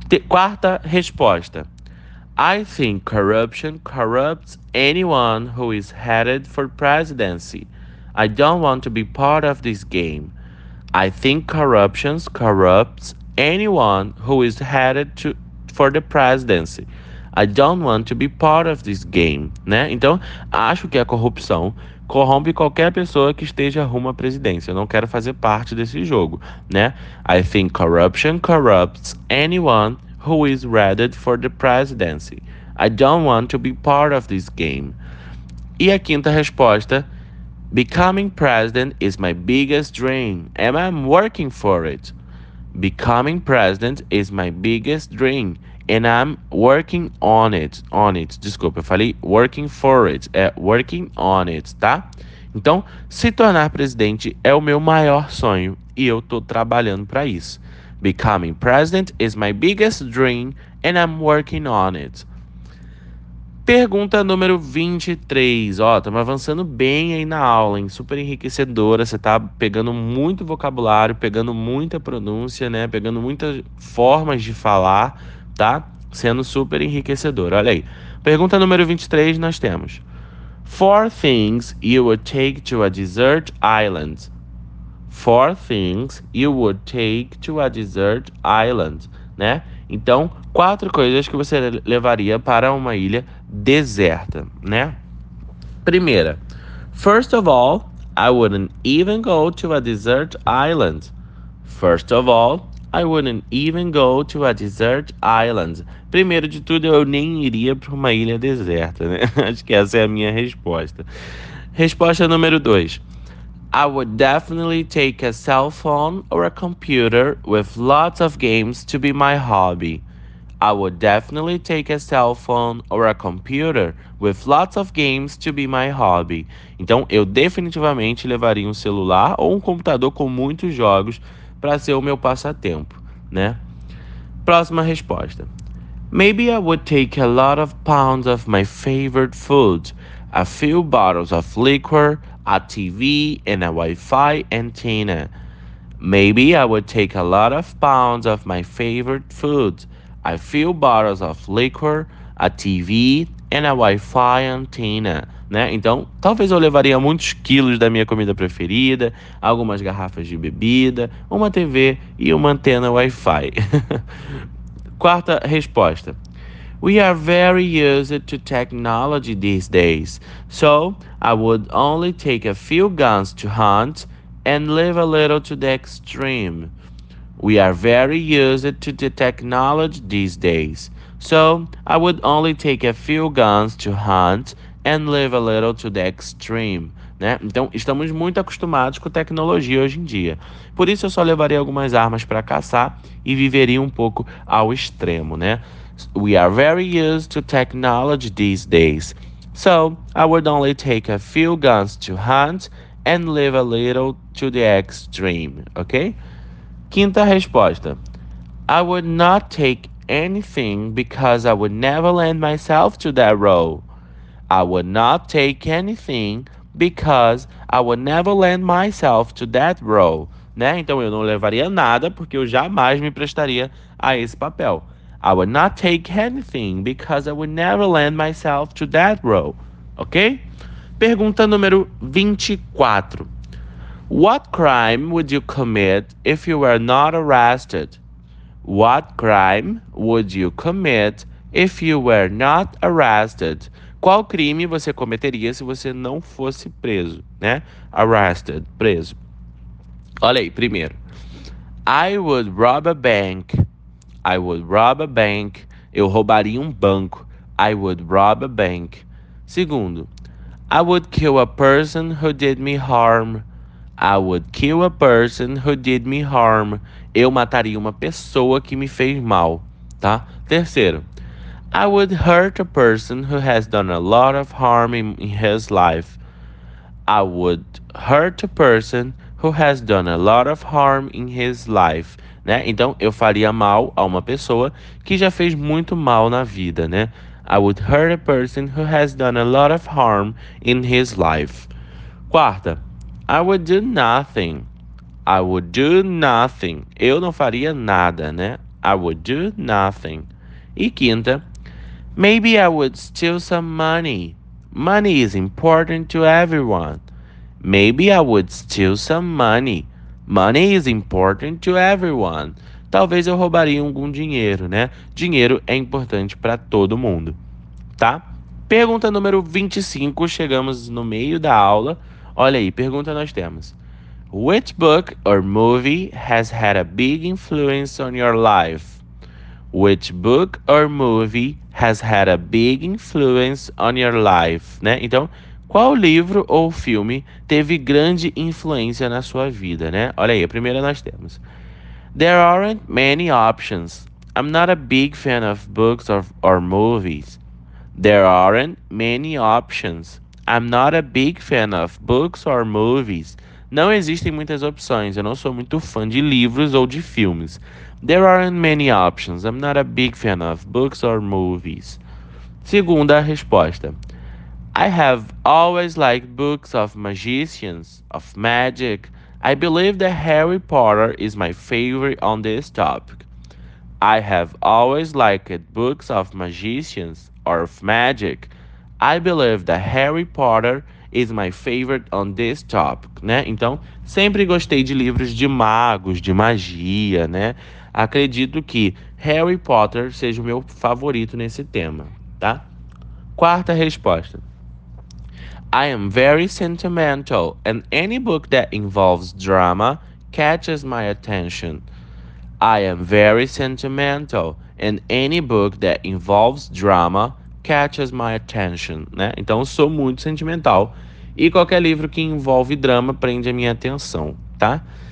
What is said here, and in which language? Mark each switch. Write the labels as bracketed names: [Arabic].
[Portuguese] Quarta resposta: [English] I think corruption corrupts anyone who is headed for presidency. I don't want to be part of this game. I think corruption corrupts anyone who is headed to for the presidency. I don't want to be part of this game, né? [Portuguese] Então, acho que a corrupção corrompe qualquer pessoa que esteja rumo à presidência. Eu não quero fazer parte desse jogo, né? [English] I think corruption corrupts anyone who is headed for the presidency. I don't want to be part of this game. [Portuguese] E a quinta resposta: [English] Becoming president is my biggest dream, and I'm working for it. Becoming president is my biggest dream and I'm working on it. On it, [Portuguese] desculpa, eu falei [English] working for it. É working on it, tá? [Portuguese] Então, se tornar presidente é o meu maior sonho e eu tô trabalhando para isso. [English] Becoming president is my biggest dream and I'm working on it. [Portuguese] Pergunta número 23. Ó, estamos avançando bem aí na aula, hein? Super enriquecedora. Você tá pegando muito vocabulário, pegando muita pronúncia, né? Pegando muitas formas de falar, tá? Sendo super enriquecedora. Olha aí. Pergunta número 23 nós temos. [English] Four things you would take to a desert island. Four things you would take to a desert island, né? [Portuguese] Então, quatro coisas que você levaria para uma ilha deserta, né? Primeira, [English] first of all, I wouldn't even go to a desert island. First of all, I wouldn't even go to a desert island. [Portuguese] Primeiro de tudo, eu nem iria para uma ilha deserta, né? Acho que essa é a minha resposta. Resposta número 2. [English] I would definitely take a cell phone or a computer with lots of games to be my hobby. I would definitely take a cell phone or a computer with lots of games to be my hobby. [Portuguese] Então, eu definitivamente levaria um celular ou um computador com muitos jogos para ser o meu passatempo, né? Próxima resposta. [English] Maybe I would take a lot of pounds of my favorite food, a few bottles of liquor, a TV and a Wi-Fi antenna. Maybe I would take a lot of pounds of my favorite food, a few bottles of liquor, a TV and a Wi-Fi antenna, né? [Portuguese] Então, talvez eu levaria muitos quilos da minha comida preferida, algumas garrafas de bebida, uma TV e uma antena Wi-Fi. Quarta resposta. [English] We are very used to technology these days, so I would only take a few guns to hunt and live a little to the extreme. We are very used to the technology these days, so I would only take a few guns to hunt and live a little to the extreme. [Portuguese] Né? Então, estamos muito acostumados com tecnologia hoje em dia. Por isso, eu só levaria algumas armas para caçar e viveria um pouco ao extremo, né? [English] We are very used to technology these days, so I would only take a few guns to hunt and live a little to the extreme, ok? [Portuguese] Quinta resposta. [English] I would not take anything because I would never lend myself to that role. I would not take anything because I would never lend myself to that role. [Portuguese] Né? Então eu não levaria nada porque eu jamais me prestaria a esse papel. [English] I would not take anything because I would never lend myself to that role. Ok? [Portuguese] Pergunta número 24. [English] What crime would you commit if you were not arrested? What crime would you commit if you were not arrested? [Portuguese] Qual crime você cometeria se você não fosse preso, né? Arrested, preso. Olha aí, primeiro. [English] I would rob a bank. I would rob a bank. [Portuguese] Eu roubaria banco. [English] I would rob a bank. [Portuguese] Segundo, [English] I would kill a person who did me harm. I would kill a person who did me harm. [Portuguese] Eu mataria pessoa que me fez mal, tá? Terceiro, [English] I would hurt a person who has done a lot of harm in his life. I would hurt a person who has done a lot of harm in his life. [Portuguese] Né? Então, eu faria mal a pessoa que já fez muito mal na vida, né? [English] I would hurt a person who has done a lot of harm in his life. [Portuguese] Quarta, [English] I would do nothing. I would do nothing. [Portuguese] Eu não faria nada, né? [English] I would do nothing. [Portuguese] E quinta, [English] maybe I would steal some money. Money is important to everyone. Maybe I would steal some money. Money is important to everyone. [Portuguese] Talvez eu roubaria algum dinheiro, né? Dinheiro é importante para todo mundo, tá? Pergunta número 25, chegamos no meio da aula. Olha aí, pergunta nós temos. [English] Which book or movie has had a big influence on your life? Which book or movie has had a big influence on your life? [Portuguese] Né? Então, qual livro ou filme teve grande influência na sua vida, né? Olha aí, a primeira nós temos. [English] There aren't many options. I'm not a big fan of books or movies. There aren't many options. I'm not a big fan of books or movies. [Portuguese] Não existem muitas opções. Eu não sou muito fã de livros ou de filmes. [English] There aren't many options. I'm not a big fan of books or movies. [Portuguese] Segunda resposta. [English] I have always liked books of magicians, of magic. I believe that Harry Potter is my favorite on this topic. I have always liked books of magicians or of magic. I believe that Harry Potter is my favorite on this topic, né? [Portuguese] Então, sempre gostei de livros de magos, de magia, né? Acredito que Harry Potter seja o meu favorito nesse tema, tá? Quarta resposta. [English] I am very sentimental, and any book that involves drama catches my attention. I am very sentimental, and any book that involves drama catches my attention, né? [Portuguese] Então, eu sou muito sentimental, e qualquer livro que envolve drama prende a minha atenção, tá?